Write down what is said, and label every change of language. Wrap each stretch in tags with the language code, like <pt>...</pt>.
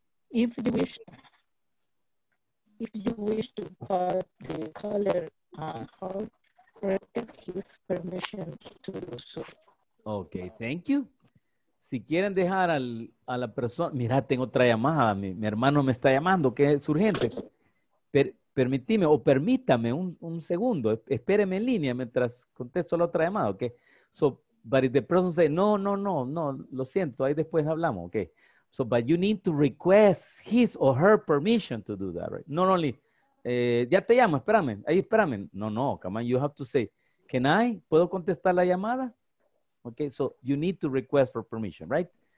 <en>If you wish to call the caller, how granted his permission to do so. Okay, thank you.</en> <es>Si quieren dejar a la persona, mira, tengo otra llamada, mi hermano me está llamando, que es urgente. Permítame un segundo, espéreme en línea mientras contesto la otra llamada, ok.</es> <en>So, but if the person say, no,</en> <es>lo siento, ahí después hablamos,</es> <en>ok. So, but you need to request his or her permission to do that, right? Not only,</en> <es>ya te llamo, espérame.</es> <en>No, come on, you have to say,</en> <es>¿puedo contestar la llamada?</es> <en>Ok, so you need to request for permission, right?</en>